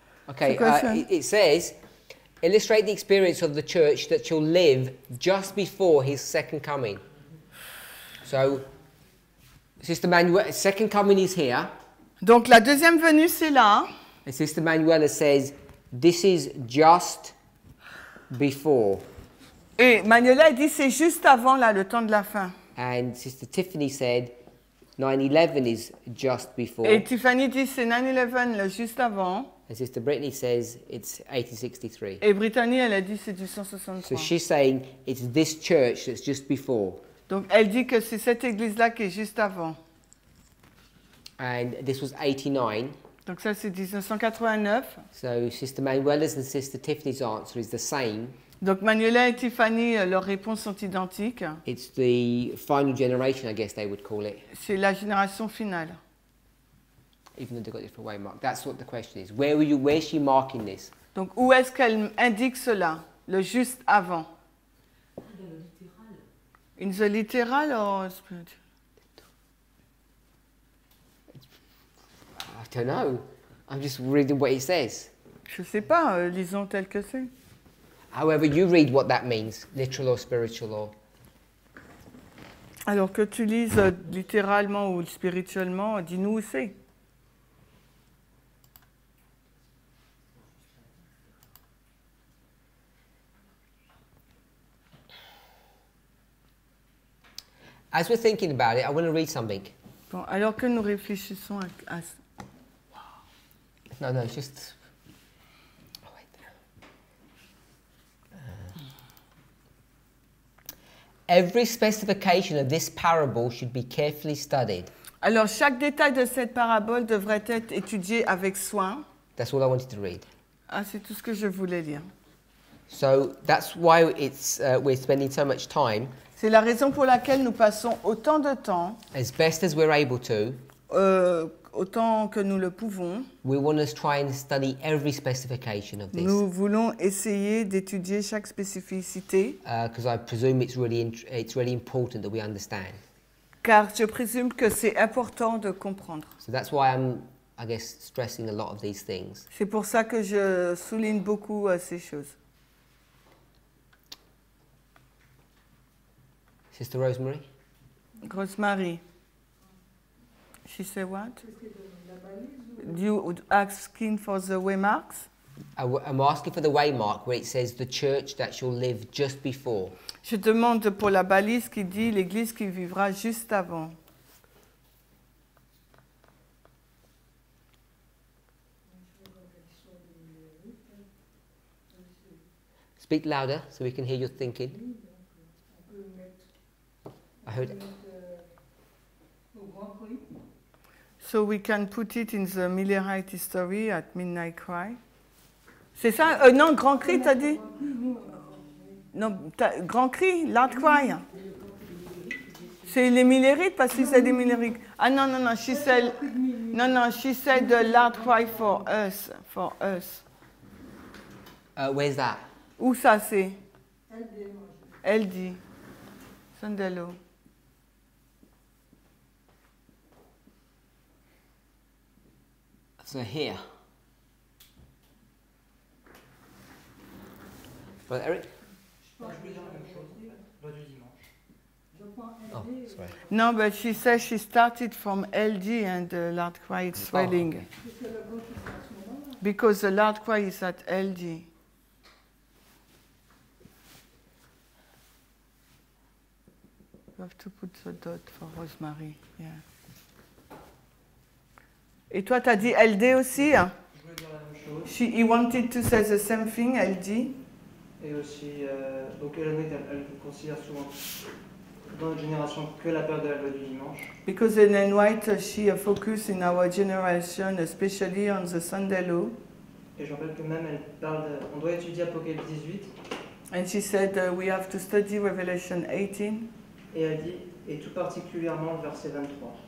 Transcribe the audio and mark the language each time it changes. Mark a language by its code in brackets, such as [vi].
[en] Okay, it says, illustrate the experience of the church that shall live just before his second coming. So, Sister Manuela, second coming is here. [fr] Donc la deuxième venue, c'est là. [en] And Sister Manuela says, this is just before. [fr] Et Manuela dit, c'est juste avant là, le temps de la fin. [en] And Sister Tiffany said, 9/11 is just before. [fr] Et Tiffany dit, c'est 9/11, là, juste avant. [en] And Sister Brittany says, it's 1863. [fr] Et Brittany, elle a dit, c'est 1863. [en] So she's saying, it's this church that's just before. [fr] Donc, elle dit que c'est cette église-là qui est juste avant. [en] And this was 89. [fr] Donc, ça, c'est 1989. [en] So Sister Manuela's and Sister Tiffany's answer is the same. [fr] Donc Manuela et Tiffany, leurs réponses sont identiques. [en] It's the final generation, I guess they would call it. [fr] C'est la génération finale. [en] Even though they've got different way marked. That's what the question is. Where is she marking this? [fr] Donc où est-ce qu'elle indique cela, le juste avant? [en] In the literal. In the literal or spirit? I don't know. I'm just reading what it says. [fr] Je sais pas. Lisons tel que c'est. [en] However you read what that means, literal or spiritual or. [fr] Alors que tu lises littéralement ou spirituellement, dis-nous où c'est. [en] As we're thinking about it, I want to read something. [fr] Bon, alors que nous réfléchissons à ça. [en] No, it's just... Every specification of this parable should be carefully studied. [fr] Alors, chaque détail de cette parabole devrait être étudié avec soin. [en] That's all I wanted to read. [fr] Ah, c'est tout ce que je voulais lire. [en] So, that's why we're spending so much time. [fr] C'est la raison pour laquelle nous passons autant de temps. [en] As best as we're able to. [fr] Autant que nous le pouvons. [en] We want to try and study every specification of this. [fr] Nous voulons essayer d'étudier chaque spécificité. [en] Because I presume it's really important that we understand. [fr] Car je présume que c'est important de comprendre. [en] So that's why I'm, I guess, stressing a lot of these things. [fr] C'est pour ça que je souligne beaucoup ces choses. [en] Sister Rosemary. Rosemary. She said what? Do you asking for the waymarks? I'm asking for the waymark where it says the church that shall live just before. [fr] Je demande pour la balise qui dit l'église qui vivra juste avant. [en] Speak louder so we can hear your thinking. I heard. So we can put it in the Millerite history at Midnight Cry. [fr] C'est ça? Non, Grand Cri, t'as dit? Non, t'as, Grand Cri, Loud Cry. C'est les Millerites parce que c'est des Millerites. Ah non, non, non, [en] she said. [fr] Non, non, [en] she said the Loud Cry for us. For us. Where's that? [fr] Où ça c'est? Elle dit. Sandello. [en] So here. Well, Eric? Oh, sorry. No, but she says she started from LD and the Loud Cry is swelling. Oh, okay. Because the Loud Cry is at LD. You have to put the dot for Rosemary, yeah. [fr] Et toi, t'as dit LD aussi? Je voulais dire la même chose. [en] He wanted to say the same thing, LD. [fr] Et aussi, donc Hélène, elle considère souvent dans notre génération que la période de la loi du dimanche. [en] Because Hélène White, she focus in our generation, especially on the Sunday law. [fr] Et je rappelle que même elle parle de, on doit étudier Apocalypse 18. [en] And she said we have to study Revelation 18. [fr] Et elle dit, et tout particulièrement le verset 23.